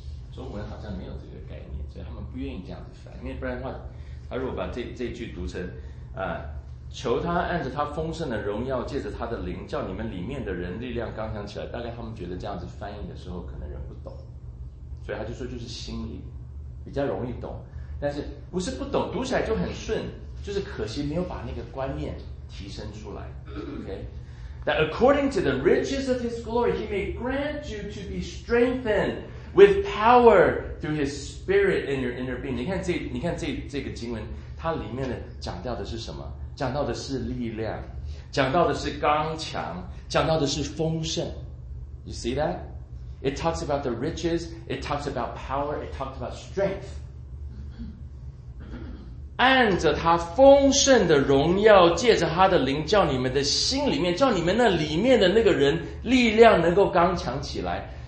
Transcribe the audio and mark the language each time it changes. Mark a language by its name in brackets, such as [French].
[Chinese] 中文好像没有这个概念，所以他们不愿意这样子翻，因为不然的话，他如果把这句读成求他按着他丰盛的荣耀，借着他的灵，叫你们里面的人力量刚强起来，大概他们觉得这样子翻译的时候可能人不懂，所以他就说就是心里比较容易懂。但是不是不懂，读起来就很顺，就是可惜没有把那个观念提升出来。 [English] Okay, that according to the riches of his glory he may grant you to be strengthened with power through his spirit in your inner being. [Chinese] 你看这个经文，它里面的讲到的是什么？讲到的是力量，讲到的是刚强，讲到的是丰盛。 [English] You see that? It talks about the riches, it talks about power, it talks about strength. [Chinese] 按着他丰盛的荣耀，借着他的灵，叫你们的心里面，叫你们那里面的那个人力量能够刚强起来。